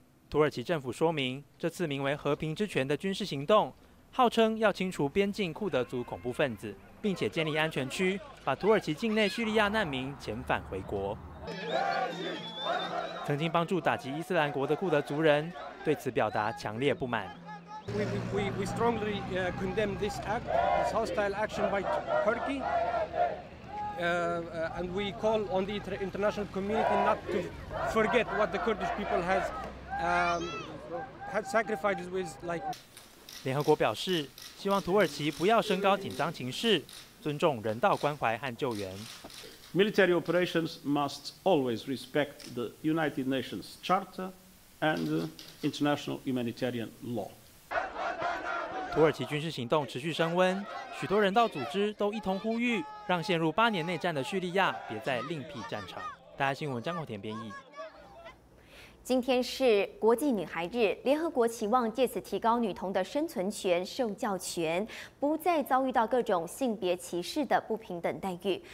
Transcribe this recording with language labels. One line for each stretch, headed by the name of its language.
Chinese: 土耳其政府说明，这次名为和平之泉的军事行动，号称要清除边境库德族恐怖分子，并且建立安全区，把土耳其境内叙利亚难民遣返回国。曾经帮助打击伊斯兰国的库德族人对此表达强烈不满。
English: We strongly condemn this act, this hostile action by Turkey, and we call on the international community not to forget what the Kurdish people has had sacrifices with. Like,
Chinese: 联合国表示，希望土耳其不要升高紧张情势，尊重人道关怀和救援。
English: Military operations must always respect the United Nations Charter and international humanitarian law.
Chinese: 土耳其军事行动持续升温，许多人道组织都一同呼吁，让陷入8年内战的叙利亚别再另辟战场。大家新闻张口田编译。今天是国际女孩日，联合国期望借此提高女童的生存权、受教权，不再遭遇到各种性别歧视的不平等待遇。